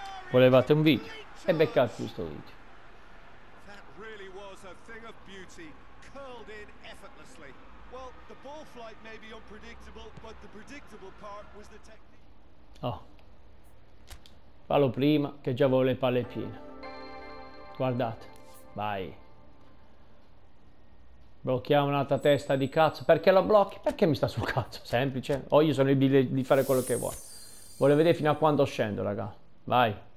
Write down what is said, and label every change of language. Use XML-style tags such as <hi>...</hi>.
<it>Volevate un video e beccate questo video.</it> <en>That really was a thing of beauty, curled in effortlessly. Well, the ball flight may be unpredictable, but the predictable part was the technique.</en> <it>Oh, fallo prima che già avevo le palle piene. Guardate, vai. Blocchiamo un'altra testa di cazzo. Perché la blocchi? Perché mi sta sul cazzo? Semplice. O io sono libero di fare quello che vuoi. Volevo vedere fino a quando scendo, raga. Vai.</it>